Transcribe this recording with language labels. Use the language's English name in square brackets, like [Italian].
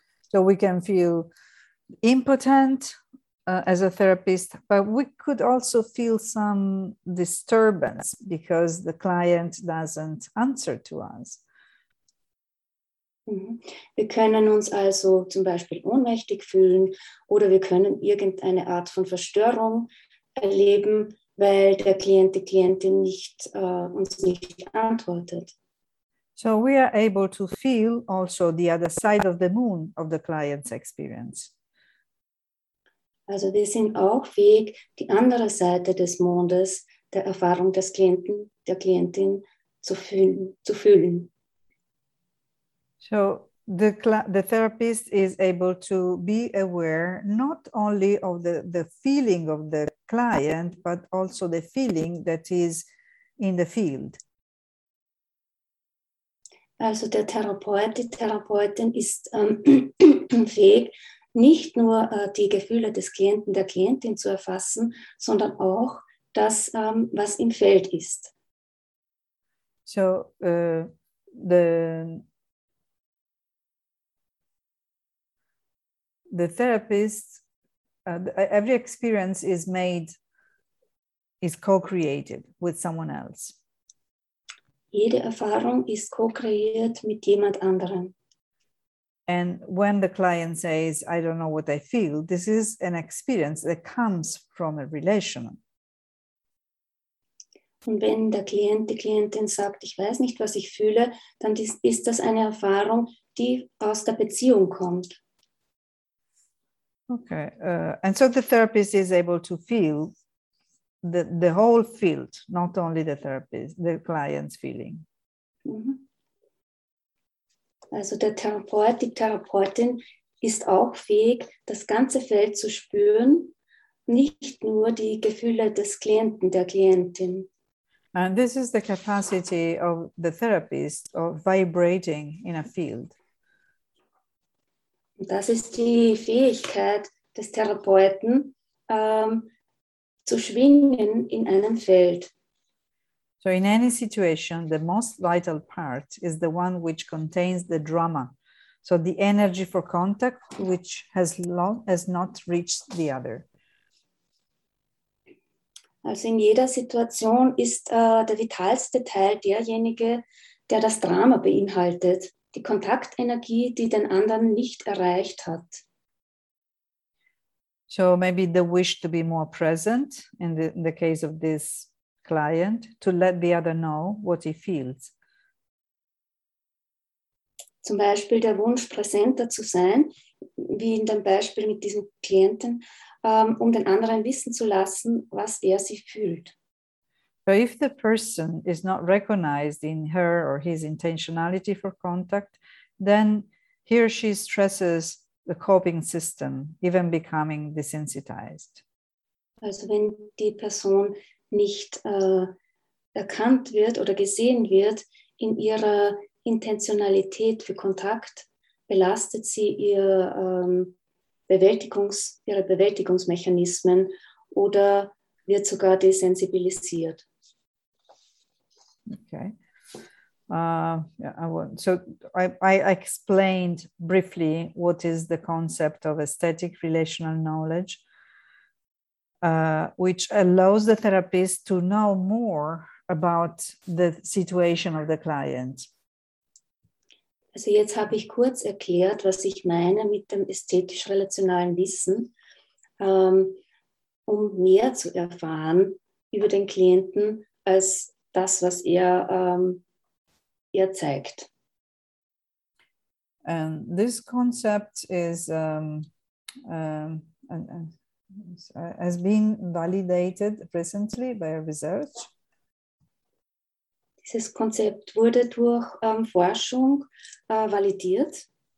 [English] So we can feel impotent as a therapist, but we could also feel some disturbance because the client doesn't answer to us. [German] Wir können uns also zum Beispiel ohnmächtig fühlen oder wir können irgendeine Art von Verstörung erleben, weil der Klient, die Klientin nicht uns nicht antwortet. [English] So we are able to feel also the other side of the moon of the client's experience. [German] Also wir sind auch fähig, die andere Seite des Mondes, der Erfahrung des Klienten, der Klientin zu fühlen. [English] So the therapist is able to be aware not only of the feeling of the client, but also the feeling that is in the field. [German] Also der Therapeut, die Therapeutin ist fähig, nicht nur die Gefühle des Klienten, der Klientin zu erfassen, sondern auch das, was im Feld ist. [English] So the therapist, every experience is co-created with someone else. [German] Jede Erfahrung ist co-kreiert mit jemand anderem. [English] And when the client says, I don't know what I feel, this is an experience that comes from a relation. [German] Und wenn der Klient, die Klientin sagt, ich weiß nicht, was ich fühle, dann ist das eine Erfahrung, die aus der Beziehung kommt. Okay. [English] And so the therapist is able to feel the whole field, not only the therapist, the client's feeling. Mm-hmm. [German] Also der Therapeut, die Therapeutin ist auch fähig, das ganze Feld zu spüren, nicht nur die Gefühle des Klienten, der Klientin. [English] And this is the capacity of the therapist of vibrating in a field. [German] Das ist die Fähigkeit des Therapeuten, zu schwingen in einem Feld. [English] So in any situation, the most vital part is the one which contains the drama. So the energy for contact, which has not reached the other. [German] Also in jeder Situation ist der vitalste Teil derjenige, der das Drama beinhaltet. Die Kontaktenergie, die den anderen nicht erreicht hat. [English] So maybe the wish to be more present in the case of this client, to let the other know what he feels. [German] Zum Beispiel der Wunsch, präsenter zu sein, wie in dem Beispiel mit diesem Klienten, um den anderen wissen zu lassen, was er sich fühlt. [English] So if the person is not recognized in her or his intentionality for contact, then he or she stresses the coping system, even becoming desensitized. [German] Also wenn die Person nicht erkannt wird oder gesehen wird in ihrer Intentionalität für Kontakt, belastet sie ihre Bewältigungsmechanismen oder wird sogar desensibilisiert. Okay. [English] I explained briefly what is the concept of aesthetic relational knowledge. which allows the therapist to know more about the situation of the client. [German] Also jetzt habe ich kurz erklärt, was ich meine mit dem ästhetisch-relationalen Wissen, um mehr zu erfahren über den Klienten als das, was er zeigt. [English] And this concept is has been validated recently by a research. [German] Dieses Konzept wurde durch Forschung validiert.